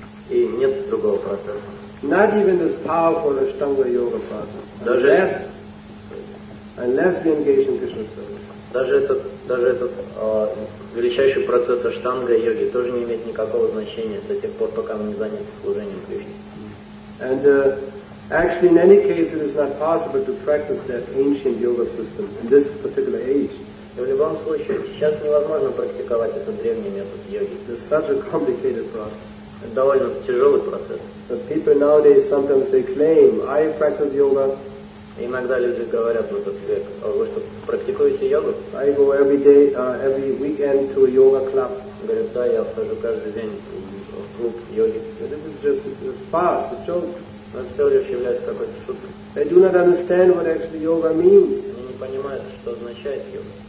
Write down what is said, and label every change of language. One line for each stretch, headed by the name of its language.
Russian: И нет другого процесса.
English: Not even this powerful Ashtanga Yoga process.
Russian: Даже
English: unless we engage in Krishna service.
Russian: Даже этот величайший процесс Ашштанга йоги тоже не имеет никакого значения до тех пор, пока мы не заняты служением Кришне.
English: And actually, in any case, it is not possible to practice that ancient yoga system in this particular age.
Russian: И в любом случае, сейчас невозможно практиковать этот древний метод йоги.
English: It's such a complicated process.
Russian: Это довольно тяжелый процесс.
English: But people nowadays sometimes they claim, I practice yoga.
Russian: Иногда люди говорят в этот век, вы что, практикуете йогу?
English: I go every day, every weekend to a yoga club.
Russian: Говорят, да, я хожу каждый день в клуб йоги.
English: But this is just a farce, a joke.
Russian: Но все лишь является какой-то шуткой.
English: They do not understand what actually yoga means.
Russian: Они не понимают, что означает йога.